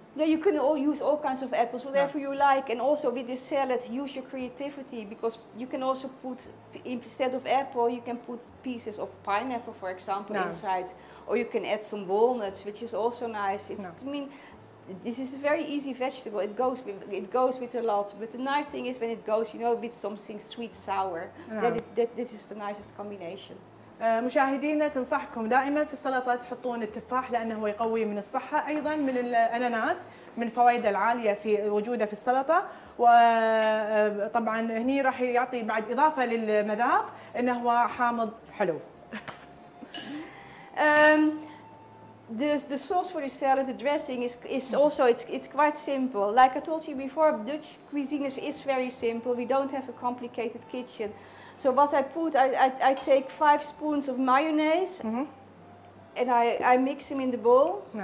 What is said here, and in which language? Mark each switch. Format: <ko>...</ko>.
<en>Yeah, you can all use all kinds of apples, whatever you like. And also with this salad, use your creativity, because you can also put, instead of apple, you can put pieces of pineapple, for example, inside. Or you can add some walnuts, which is also nice. This is a very easy vegetable. It goes with a lot. But the nice thing is when it goes, you know, with something sweet, sour, that this is the nicest combination.</en> <ar>مشاهدينا تنصحكم دائما في السلطة تحطون التفاح لأنه يقوي من الصحة أيضا من الأناناس من فوائد العالية في وجوده في السلطة وطبعا هني راح يعطي بعد إضافة للمذاق إنه هو حامض حلو.</ar> <en>The sauce for the salad, the dressing is also quite simple. Like I told you before, Dutch cuisine is very simple. We don't have a complicated kitchen. So what I put, I take 5 spoons of mayonnaise, and I mix them in the bowl.</en>